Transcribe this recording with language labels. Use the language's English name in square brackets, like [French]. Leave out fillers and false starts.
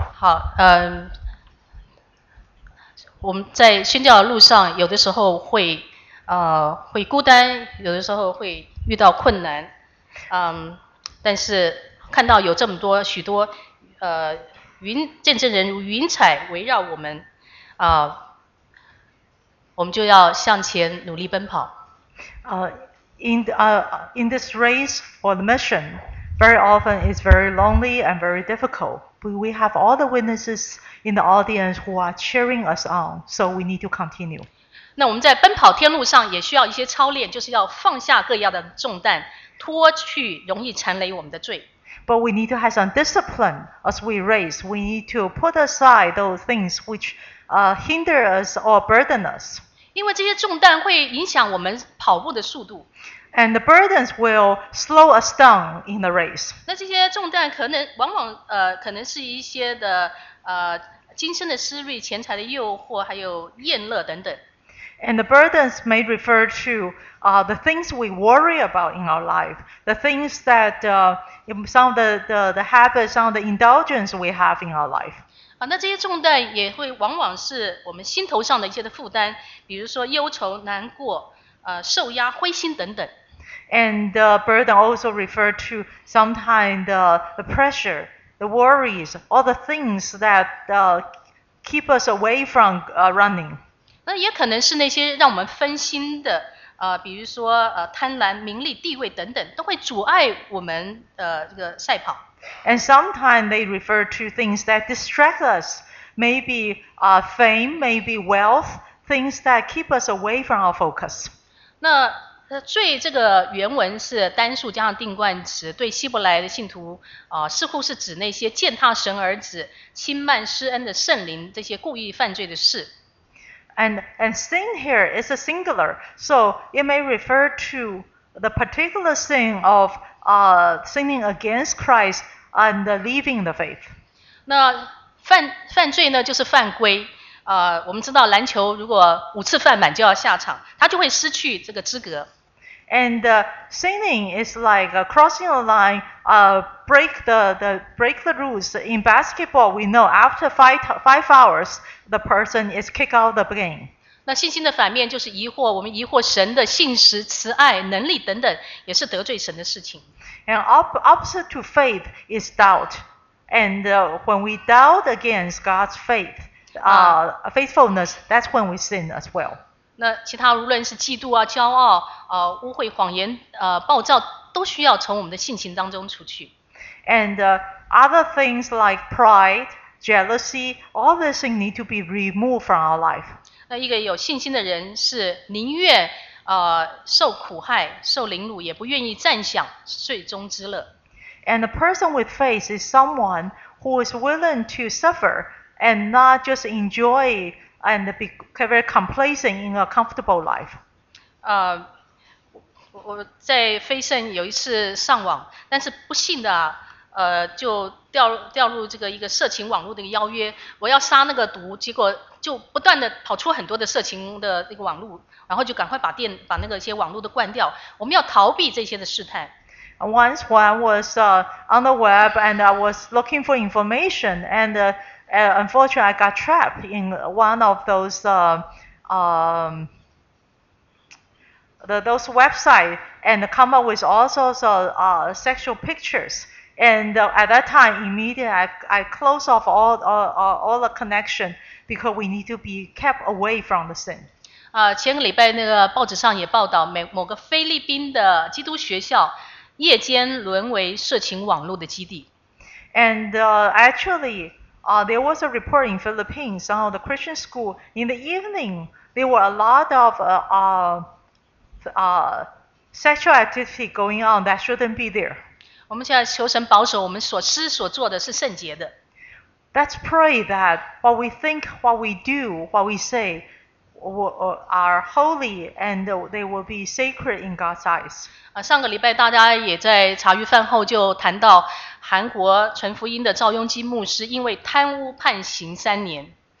[Chinese] 好，我们在宣教的路上，有的时候会孤单，有的时候会遇到困难，但是看到有这么多许多，见证人如云彩围绕我们，我们就要向前努力奔跑。 [English] In this race for the mission, very often it's very lonely and very difficult. But we have all the witnesses in the audience who are cheering us on, so we need to continue. [Chinese] 那我们在奔跑天路上也需要一些操练，就是要放下各样的重担，脱去容易缠累我们的罪。 [English] But we need to have some discipline as we race. We need to put aside those things which hinder us or burden us. [Chinese] 因为这些重担会影响我们跑步的速度。 [English] And the burdens will slow us down in the race. [Chinese] 那这些重担可能往往可能是一些的今生的私欲、钱财的诱惑，还有厌乐等等。 [English] And the burdens may refer to the things we worry about in our life, the things that some of the habits, some of the indulgence we have in our life. [Chinese] 那这些重担也会往往是我们心头上的一些的负担，比如说忧愁、难过、受压、灰心等等。 [English] And the burden also referred to sometimes the pressure, the worries, all the things that keep us away from running. [Chinese] 那也可能是那些让我们分心的，比如说贪婪、名利、地位等等，都会阻碍我们这个赛跑。 [English] And sometimes they refer to things that distract us, maybe fame, maybe wealth, things that keep us away from our focus. [Chinese] 那最这个原文是单数加上定冠词，对希伯来的信徒似乎是指那些践踏神儿子、轻慢施恩的圣灵这些故意犯罪的事。 [English] And sin here is a singular, so it may refer to the particular sin of sinning against Christ and leaving the faith. [Chinese] 那犯罪呢，就是犯规。我们知道篮球如果五次犯满就要下场，他就会失去这个资格。 [English] And sinning is like crossing a line, break the rules. In basketball, we know after five hours, the person is kicked out of the game. [Chinese] 那信心的反面就是疑惑，我们疑惑神的信实、慈爱、能力等等，也是得罪神的事情。 [English] And opposite to faith is doubt. And when we doubt against God's faith, faithfulness, that's when we sin as well. [Chinese] 那其他无论是嫉妒啊、骄傲、污秽、谎言、暴躁，都需要从我们的性情当中除去。 [English] And other things like pride, jealousy, all these things need to be removed from our life. [Chinese] 那一个有信心的人是宁愿受苦害、受凌辱，也不愿意暂享最终之乐。 [English] And a person with faith is someone who is willing to suffer and not just enjoy and be very complacent in a comfortable life. [Chinese] 我在飞盛有一次上网，但是不幸的就掉入这个一个色情网络的一个邀约，我要杀那个毒，结果就不断的跑出很多的色情的那个网络，然后就赶快把那个一些网络都关掉，我们要逃避这些的试探。 [English] Once when I was on the web and I was looking for information and unfortunately I got trapped in one of those website and come up with all sorts of sexual pictures. And at that time, immediately I close off all the connection because we need to be kept away from the sin. [Chinese] 前个礼拜那个报纸上也报道某个菲律宾的基督学校夜间沦为色情网络的基地。 [English] And there was a report in Philippines, some of the Christian school, in the evening, there were a lot of sexual activity going on that shouldn't be there. [Chinese] 我们现在求神保守我们所思所做的是圣洁的。 [English] Let's pray that what we think, what we do, what we say are holy and they will be sacred in God's eyes. [Chinese] 上个礼拜大家也在茶余饭后就谈到韩国传福音的赵庸基牧师因为贪污判刑三年。